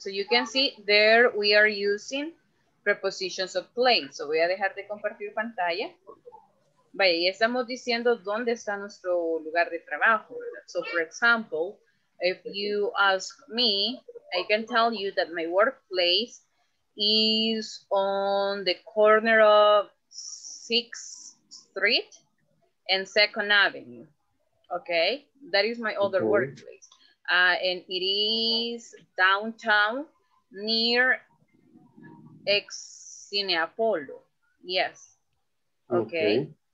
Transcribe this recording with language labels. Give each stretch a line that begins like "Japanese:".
English: So you can see there we are using prepositions of place.
Spanish: So voy a dejar de compartir pantalla. Vaya, y estamos diciendo dónde está nuestro lugar de trabajo.
English: So, for example, if you ask me, I can tell you that my workplace is on the corner of 6th Street and 2nd Avenue. Okay, that is my other workplace. And it is downtown near Cineapolo. Yes. Okay.